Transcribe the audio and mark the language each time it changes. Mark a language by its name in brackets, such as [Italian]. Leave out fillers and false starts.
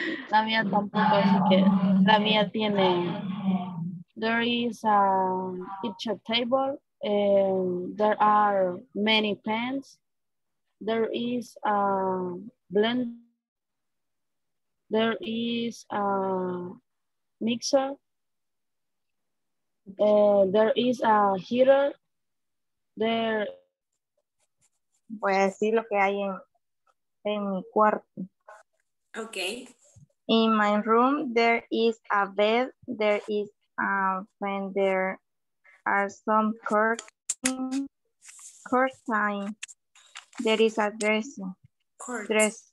[Spanish] La mía tampoco, así que la mía tiene, [English] there is a kitchen table, there are many pans, there is a blender, there is a mixer, there is a heater, there. [Spanish] Voy a decir lo que hay en mi cuarto. [English] Okay. In my room, there is a bed, there is a fan, there are some curtains, there is a dresser.